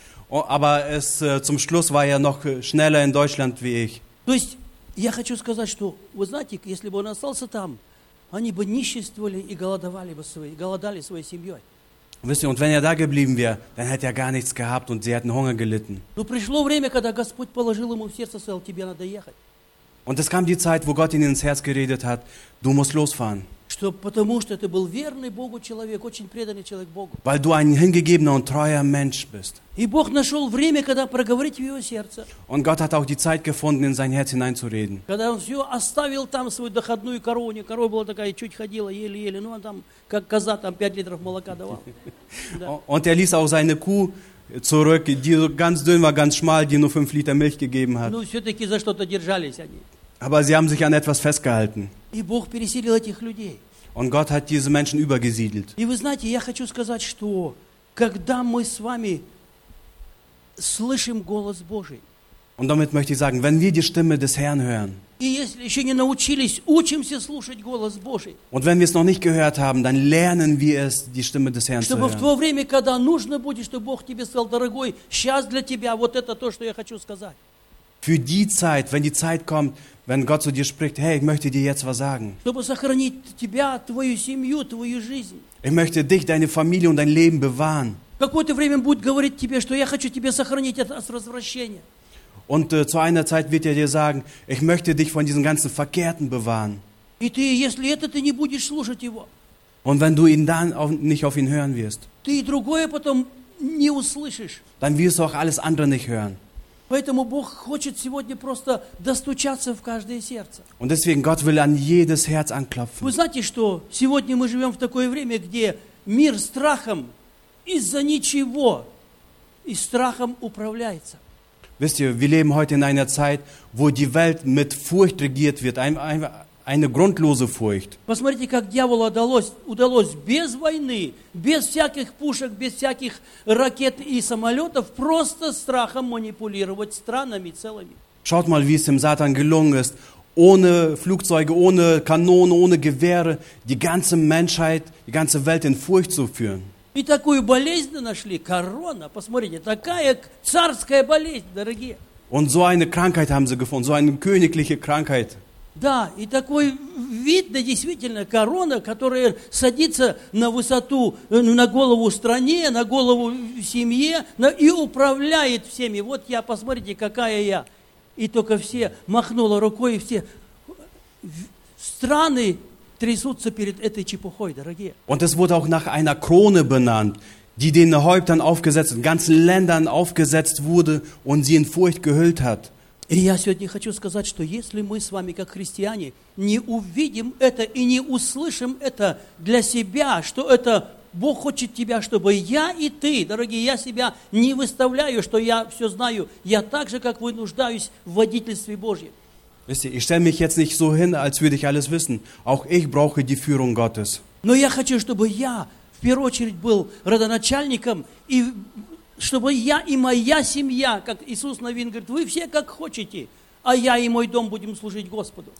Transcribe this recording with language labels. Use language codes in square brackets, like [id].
[de] Aber es zum Schluss war er noch schneller in Deutschland wie ich. [ru] То есть я хочу сказать, что вы знаете, если бы он остался там, они бы нищетствовали и голодали своей семьей. [de] Wisst ihr, und wenn er da geblieben wäre, dann hätte er gar nichts gehabt und sie hätten Hunger gelitten. [ru] Но пришло время, когда Господь положил ему в сердце, сказал, тебе надо ехать. [de] Und es kam die Zeit, wo Gott ihn ins Herz geredet hat, du musst losfahren. [ru] Что, потому что ты был верный Богу человек, очень преданный человек Богу. [de] Weil du ein hingegebener und treuer Mensch bist. [ru] И Бог нашел время, когда проговорить в его сердце. [de] Und Gott hat auch die Zeit gefunden, in sein Herz hineinzureden. [ru] Когда он все оставил там свою доходную корову, не корова была такая, чуть ходила, еле-еле, ну, а там, как коза, там, 5 литров молока давал. [de] Und er ließ auch seine Kuh zurück, die ganz dünn war, ganz schmal, die nur 5 Liter Milch gegeben hat. [ru] Ну, все-таки за что-то держались они. [de] Aber sie haben sich an etwas festgehalten. [ru] И Бог пересилил этих людей. [de] Und Gott hat diese Menschen übergesiedelt. [ru] И вы знаете, я хочу сказать, что когда мы с вами слышим голос Божий. [de] Und damit möchte ich sagen, wenn wir die Stimme des Herrn hören. [ru] И если еще не научились, учимся слушать голос Божий. [de] Und wenn wir es noch nicht gehört haben, dann lernen wir es, die Stimme des Herrn zu hören. [ru] Чтобы в то время, когда нужно будет, чтобы Бог тебе сказал, дорогой, сейчас для тебя вот это то, что я хочу сказать. [de] Für die Zeit, wenn die Zeit kommt, wenn Gott zu dir spricht, hey, ich möchte dir jetzt was sagen. [ru] Чтобы сохранить тебя, твою семью, твою жизнь. [de] Ich möchte dich, deine Familie und dein Leben bewahren. [ru] Какое-то время будет говорить тебе, что я хочу тебе сохранить от развращения. [de] Und zu einer Zeit wird er dir sagen, ich möchte dich von diesen ganzen Verkehrten bewahren. [ru] И ты, если это, ты не будешь слушать его. [de] Und wenn du ihn dann auf, nicht auf ihn hören wirst. [ru] Ты другое потом не услышишь. [de] Dann wirst du auch alles andere nicht hören. [ru] Поэтому Бог хочет сегодня просто достучаться в каждое сердце. [de] Und deswegen Gott will an jedes Herz anklopfen. [ru] Вы знаете, что сегодня мы живем в такое время, где мир страхом из-за ничего и страхом управляется. [de] Wisst ihr, wir leben heute in einer Zeit, wo die Welt mit Furcht regiert wird, eine grundlose Furcht. [ru] Посмотрите, как дьяволу удалось без войны, без всяких пушек, без всяких ракет и самолетов просто страхом манипулировать странами целыми. [de] Schaut mal, wie es dem Satan gelungen ist, ohne Flugzeuge, ohne Kanonen, ohne Gewehre die ganze Menschheit, die ganze Welt in Furcht zu führen. [ru] И такую болезнь нашли, корона, посмотрите, такая царская болезнь, дорогие. [de] Und so eine Krankheit haben sie gefunden, so eine königliche Krankheit. [ru] Да, и такой вид, да, действительно, корона, которая садится на высоту, на голову стране, на голову семье, и управляет всеми. Вот я, посмотрите, какая я. И только все махнула рукой, и все страны трясутся перед этой чепухой, дорогие. [de] Und es wurde auch nach einer Krone benannt, die den Häuptern aufgesetzt, ganzen Ländern aufgesetzt wurde und sie in Furcht gehüllt hat. [ru] И я сегодня хочу сказать, что если мы с вами, как христиане, не увидим это и не услышим это для себя, что это Бог хочет тебя, чтобы я и ты, дорогие, я себя не выставляю, что я все знаю, я так же, как вы, нуждаюсь в водительстве Божьем. [de] Wisst ihr, ich stelle mich jetzt nicht so hin, als würde ich alles wissen. Auch ich brauche die Führung Gottes. [ru] Но я хочу, чтобы я в первую очередь был родоначальником и чтобы я и моя семья, как Иисус Навин говорит, вы все как хотите, а я и мой дом будем служить Господу.